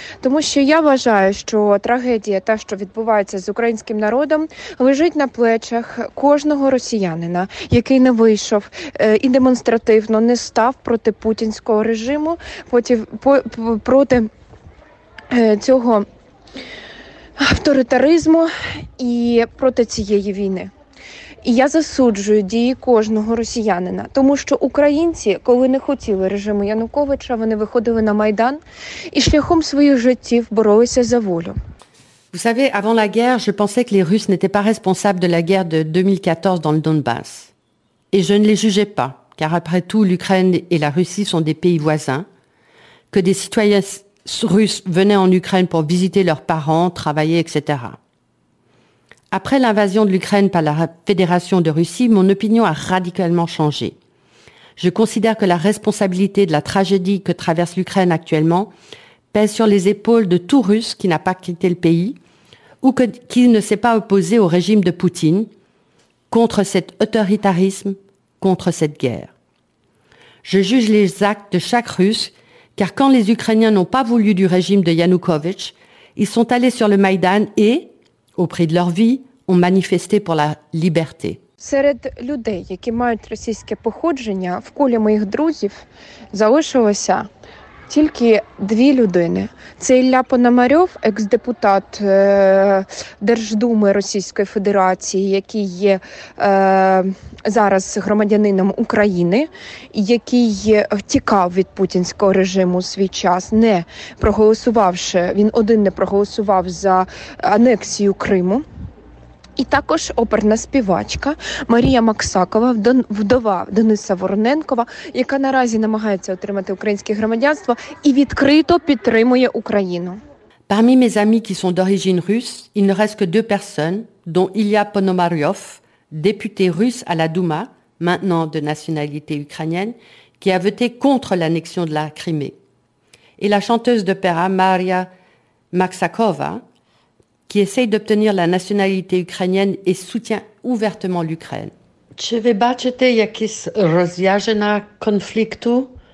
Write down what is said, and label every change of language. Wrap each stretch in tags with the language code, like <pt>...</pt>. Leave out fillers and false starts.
<uk>Тому що я вважаю, що трагедія, те, що відбувається з українським народом, лежить на плечах кожного росіянина, який не вийшов і демонстративно не став проти путінського режиму, проти цього авторитаризму і проти цієї війни. І я засуджую дії кожного росіянина, тому що українці, коли не хотіли режиму Януковича, вони виходили на Майдан і шляхом своїх життів боролися за волю.</uk> <fr>Vous savez, avant la guerre, je pensais que les Russes n'étaient pas responsables de la guerre de 2014 dans le Donbass. Et je ne les jugeais pas, car après tout, l'Ukraine et la Russie sont des pays voisins, que des citoyens russes venaient en Ukraine pour visiter leurs parents, travailler, etc. Après l'invasion de l'Ukraine par la Fédération de Russie, mon opinion a radicalement changé. Je considère que la responsabilité de la tragédie que traverse l'Ukraine actuellement pèse sur les épaules de tout Russe qui n'a pas quitté le pays ou qui ne s'est pas opposé au régime de Poutine contre cet autoritarisme, contre cette guerre. Je juge les actes de chaque Russe, car quand les Ukrainiens n'ont pas voulu du régime de Yanukovych, ils sont allés sur le Maïdan et, au prix de leur vie, ont manifesté pour la liberté.</fr> <uk>Серед людей, які мають російське походження, в колі моїх друзів залишилося тільки дві людини. Це Ілля Пономарьов, екс-депутат Держдуми Російської Федерації, який є зараз громадянином України, який тікав від путінського режиму свій час, не проголосувавши, він один не проголосував за анексію Криму. І також оперна співачка Марія Максакова, вдова Дениса Вороненкова, яка наразі намагається отримати українське громадянство і відкрито підтримує Україну.</uk> <fr>Parmi mes amis qui sont d'origine russe, il ne reste que deux personnes, dont Ilya Ponomaryov, député russe à la Douma, maintenant de nationalité ukrainienne, qui a voté contre l'annexion de la Crimée. Et la chanteuse d'opéra Maria Maksakova, qui essaye d'obtenir la nationalité ukrainienne et soutient ouvertement l'Ukraine.</fr> <uk>Чи ви бачите якісь роз'яження конфлікту?</uk>